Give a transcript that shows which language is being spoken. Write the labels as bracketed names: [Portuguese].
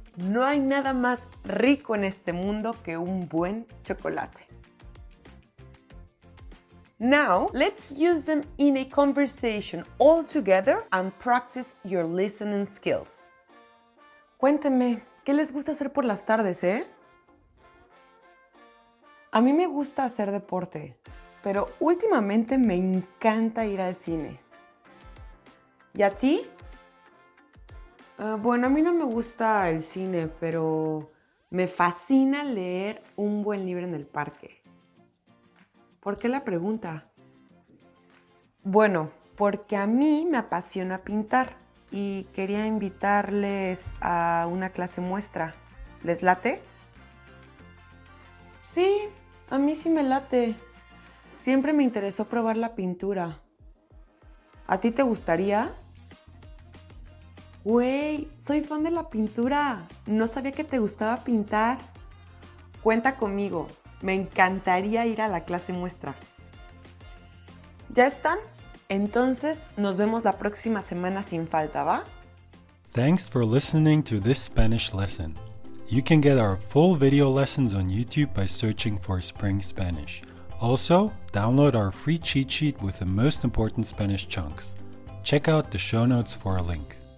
[Spanish] No hay nada más rico en este mundo que un buen chocolate. [English] Now, let's use them in a conversation all together and practice your listening skills. [Spanish] Cuéntame. ¿Qué les gusta hacer por las tardes, eh? A mí me gusta hacer deporte, pero últimamente me encanta ir al cine. ¿Y a ti? Bueno, a mí no me gusta el cine, pero me fascina leer un buen libro en el parque. ¿Por qué la pregunta? Bueno, porque a mí me apasiona pintar y quería invitarles a una clase muestra. ¿Les late? Sí, a mí sí me late. Siempre me interesó probar la pintura. ¿A ti te gustaría? ¡Wey! ¡Soy fan de la pintura! No sabía que te gustaba pintar. Cuenta conmigo. Me encantaría ir a la clase muestra. ¿Ya están? Entonces, nos vemos la próxima semana sin falta, ¿va? [English] Thanks for listening to this Spanish lesson. You can get our full video lessons on YouTube by searching for Spring Spanish. Also, download our free cheat sheet with the most important Spanish chunks. Check out the show notes for a link.